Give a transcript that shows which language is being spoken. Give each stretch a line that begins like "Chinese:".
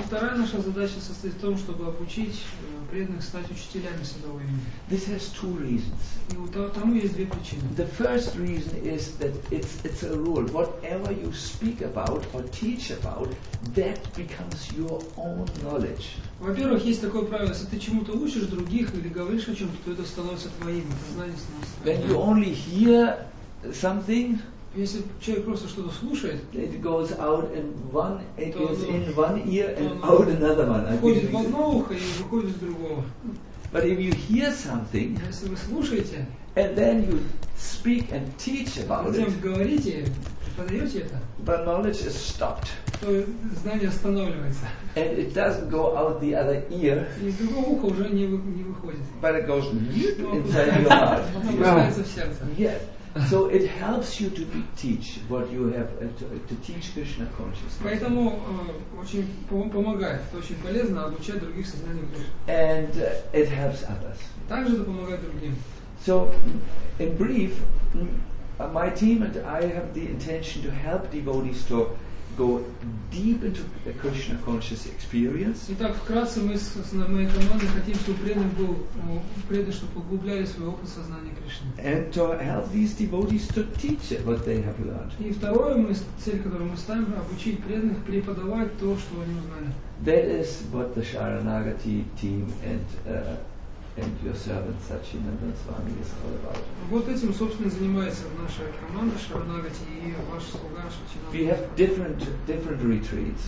Russian: Вторая наша задача состоит в том, чтобы обучить преданных стать учителями святого имени.
English: This has two reasons.
Russian: И тому есть две причины.
English: The first reason is that it's a rule. Whatever you speak about or teach about, that becomes your own knowledge.
Russian: Во-первых, есть такое правило: если ты чему-то учишь других или говоришь о чем-то, то это становится твоим. Это знание становится.
English: When you only hear something.
Russian: Если человек просто что-то слушает,
English: it goes out in one, it goes in one ear and out another one.
Russian: Входит в одно ухо и выходит из другого.
English: But if you hear something,
Russian: если вы слушаете,
English: and then you speak and teach about it,
Russian: затем говорите, преподаете это,
English: the knowledge is stopped.
Russian: То знание останавливается.
English: And it doesn't go out the other ear.
Russian: И из другого уха уже не выходит.
English: But it goes inside your heart.
Russian: Опускается в сердце.
English: Yeah. So it helps you to teach what you have to teach Krishna consciousness.
Russian: Поэтому очень помогает, это очень полезно обучать других сознанию Кришны.
English: And it helps others.
Russian: Также это помогает другим.
English: So in brief, my team and I have the intention to help devotees to go deep into the Krishna conscious experience.
Russian: Итак, вкратце мы с моей командой хотим, чтобы преданный был преданный, чтобы углубляли свой опыт сознания Кришны.
English: And to help these devotees to teach what they have learned.
Russian: И второе, цель, которую мы ставим, обучить преданных преподавать то, что они узнали.
English: That is what the Sharanagati team and and your servant Sachinanda Swami is all about.
Russian: Вот этим, собственно, занимается наша команда Шаранагати и ваш слуга Сачинанда.
English: We have different retreats.